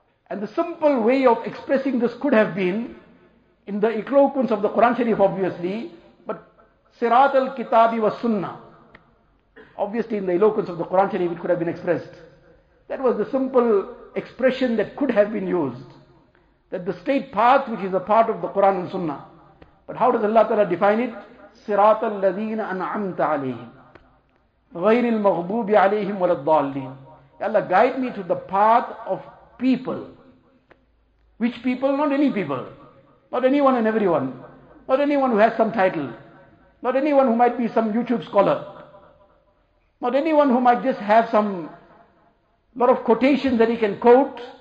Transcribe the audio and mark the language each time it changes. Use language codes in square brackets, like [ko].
[en] And the simple way of expressing this could have been, in the eloquence of the Quran Sharif obviously, but Sirat al-Kitabi wa Sunnah. Obviously in the eloquence of the Quran Sharif it could have been expressed. That was the simple expression that could have been used. That the straight path which is a part of the Quran and Sunnah. But how does Allah Ta'ala define it? Sirat al-Ladina an'amta alayhim. [ar] غير المغضوب عليهم ولا الضالين. [en] Ya Allah, guide me to the path of people. Which people? Not any people. Not anyone and everyone. Not anyone who has some title. Not anyone who might be some YouTube scholar. Not anyone who might just have some lot of quotations that he can quote.